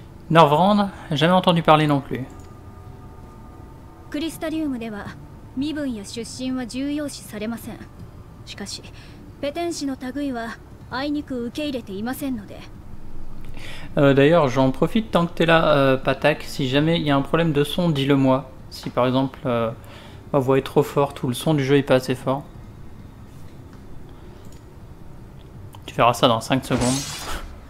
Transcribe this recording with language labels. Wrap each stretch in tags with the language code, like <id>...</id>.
<fr>Norvrand, jamais entendu parler non plus.</fr> <ja>クリスタリウムでは身分や出身は重要視されません。しかしペテン氏の類はあいにく受け入れていませんので。</ja> <fr>D'ailleurs, j'en profite tant que t'es là, Patak. Si jamais il y a un problème de son, dis-le-moi. Si par exemple ma voix est trop forte ou le son du jeu est pas assez fort. Tu verras ça dans 5 secondes.</fr>